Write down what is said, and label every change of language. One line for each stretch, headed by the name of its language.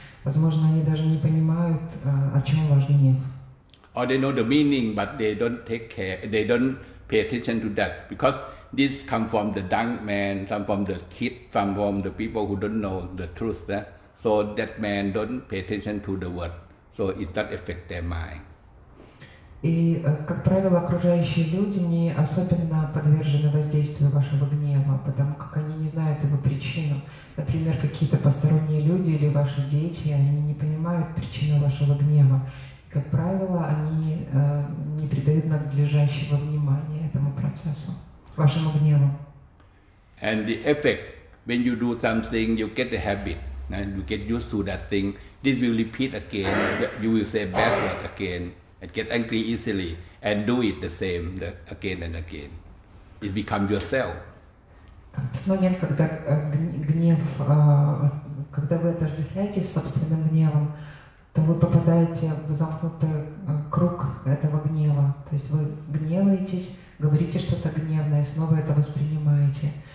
Russian: Возможно, они даже не понимают, о чем ваш гнев.
English: Or they know the meaning, but they don't take care, they don't pay attention to that, because this come from the young man, some from the kid, some from the people who don't know the truth. Eh? So that man don't pay attention to the word, so it does affect their mind.
Russian: И, как правило, окружающие люди не особенно подвержены воздействию вашего гнева, потому как они не знают его причину. Например, какие-то посторонние люди или ваши дети, они не понимают причину вашего гнева. И, как правило, они не придают надлежащего внимания этому процессу, вашему гневу.
English: And the effect, when you do something, you get the habit, and you get used to that thing. This will repeat again, you will say bad word again. And get angry easily and do it the same again and again. It becomes yourself.
Russian: В тот момент, когда гнев, когда вы отождествляетесь с собственным гневом, то вы попадаете в замкнутый круг этого гнева. То есть вы гневаетесь, говорите что-то гневное, снова это воспринимаете.